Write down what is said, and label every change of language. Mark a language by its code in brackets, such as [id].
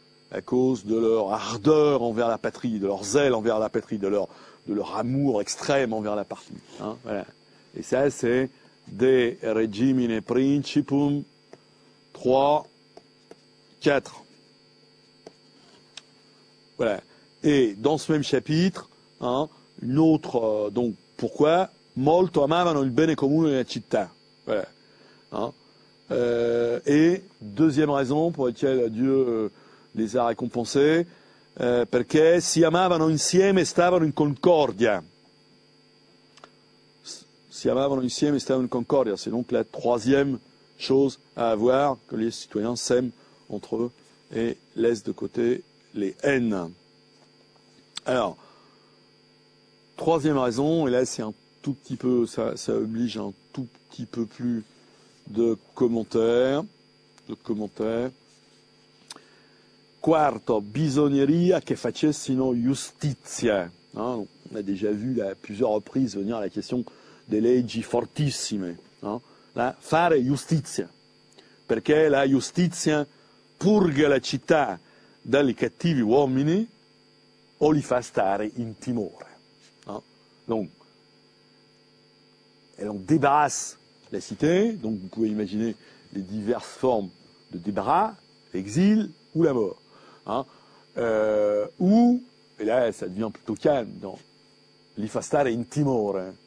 [fr] À cause de leur ardeur envers la patrie, de leur zèle envers la patrie, de leur amour extrême envers la patrie. Hein, voilà. Et ça, c'est De regimine principum 3, 4. Voilà. Et dans ce même chapitre, hein, une autre. Donc, pourquoi? [it] Molto amavano il bene comune della città. [fr] Voilà. Hein. Et deuxième raison pour laquelle Dieu les a récompensés parce que [it] si amavano insieme stavano in concordia. Si amavano insieme stavano in concordia, [fr] c'est donc la troisième chose à avoir, que les citoyens s'aiment entre eux et laissent de côté les haines. Alors, troisième raison, et là c'est un tout petit peu, ça oblige un tout petit peu plus de commentaires. [it] Quarto, bisognerie che facessino giustizia. [fr] Hein, on a déjà vu là, à plusieurs reprises venir à la question des [it] leggi fortissime. [fr] Hein, là, [it] fare giustizia. Perché la giustizia purga la città dalle cattivi uomini o li fa stare in timore. [fr] Hein, donc, elle en débarrasse la cité, donc vous pouvez imaginer les diverses formes de débarras, l'exil ou la mort. Hein, ou, et là ça devient plutôt calme, dans [it] li fa stare in timore.